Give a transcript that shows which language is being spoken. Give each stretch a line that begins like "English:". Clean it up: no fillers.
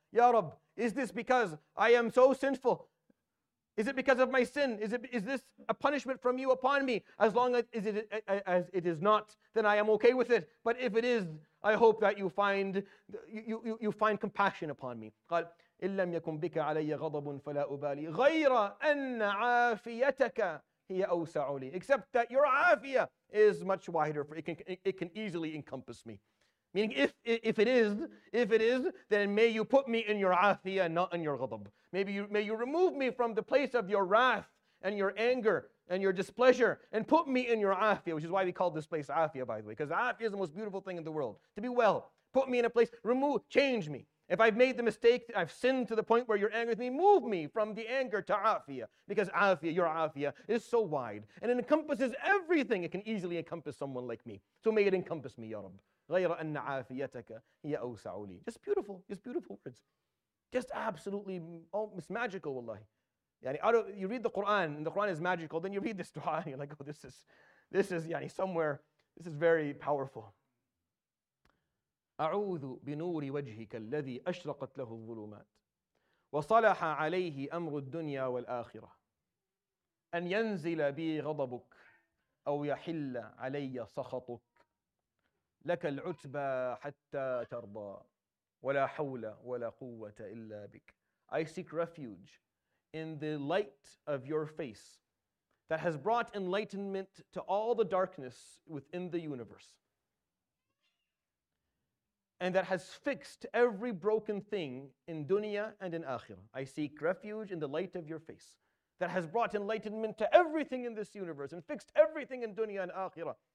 English: Ya Rab, is this because I am so sinful? Is it because of my sin? Is this a punishment from you upon me? As long as it is not, then I am okay with it. But if it is, I hope that you find compassion upon me.
Arabic: قال إن لم يكن بك علي غضب فلا أبالي غير أن عافيتك هي أوسع لي.
English: Except that your afia is much wider. It can easily encompass me. Meaning, if it is, then may you put me in your afiyah, not in your ghadab. May you remove me from the place of your wrath and your anger and your displeasure and put me in your afiyah, which is why we call this place afiyah, by the way, because afiyah is the most beautiful thing in the world. To be well, put me in a place, remove, change me. If I've made the mistake, I've sinned to the point where you're angry with me, move me from the anger to afiyah, because afiyah, your afiyah, is so wide and it encompasses everything. It can easily encompass someone like me. So may it encompass me, Ya Rab.
Arabic: غير أن عافيتك هي أوسع لي.
English: Just beautiful, just beautiful words. Just absolutely, oh, it's magical, wallahi. Yani, you read the Quran, and the Quran is magical, then you read this dua, and you're like, oh, this is very powerful.
Arabic: أعوذ بنور وجهك الذي أشرقت له الظلمات وصلح عليه أمر الدنيا والآخرة أن ينزل بي غضبك أو يحل علي سخطك لك العتبى حتى ترضى ولا حول ولا قوة إلا بك.
English: I seek refuge in the light of your face that has brought enlightenment to all the darkness within the universe, and that has fixed every broken thing in dunya and in akhirah. I seek refuge in the light of your face, that has brought enlightenment to everything in this universe and fixed everything in dunya and akhirah.